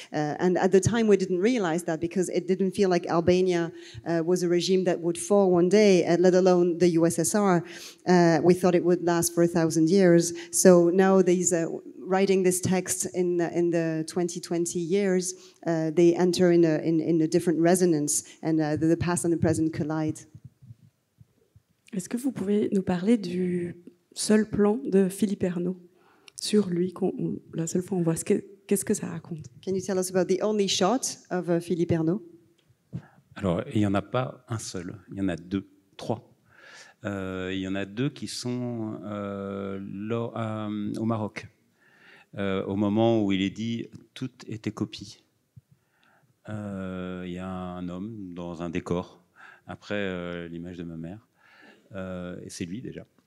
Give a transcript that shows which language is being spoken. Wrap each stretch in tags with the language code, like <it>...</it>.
<en>And at the time, we didn't realize that because it didn't feel like Albania was a regime that would fall one day, let alone the USSR. We thought it would last for 1,000 years. So now these writing this text in the 2020 years, they enter in a different resonance, and the past and the present collide.</en> <fr>Est-ce que vous pouvez nous parler du seul plan de Philippe Ernaud sur lui, la seule fois on voit qu'est-ce que ça raconte?</fr> <en>Can you tell us about the only shot of Philippe Ernaud?</en> <fr>Alors, il n'y en a pas un seul, il y en a deux, trois. Il y en a deux qui sont au Maroc, au moment où il est dit « tout était copie ». Il y a un homme dans un décor, après l'image de ma mère, et c'est lui déjà.</fr>